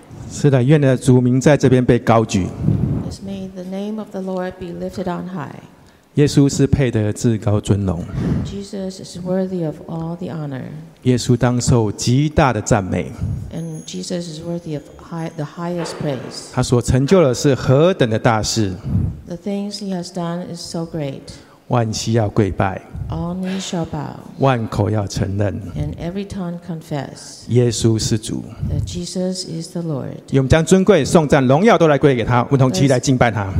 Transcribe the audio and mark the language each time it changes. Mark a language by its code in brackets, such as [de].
[zh] 是的，愿你的主名在这边被高举。 [en] May the name of the Lord be lifted on high. [zh] 耶稣是配得至高尊荣。 [en] Jesus is worthy of all the honor. [zh] 耶稣当受极大的赞美。 [en] And Jesus is worthy of the highest praise. [zh] 他所成就的是何等的大事。 [en] The things he has done is so great. [zh] 万膝要跪拜。 [en] All knees shall bow. [zh] 万口要承认。 [en] And every tongue confess. [zh] 耶稣是主。 [en] That Jesus is the Lord. [zh] 我们将尊贵、颂赞、荣耀都来归给他，我们同齐来敬拜他。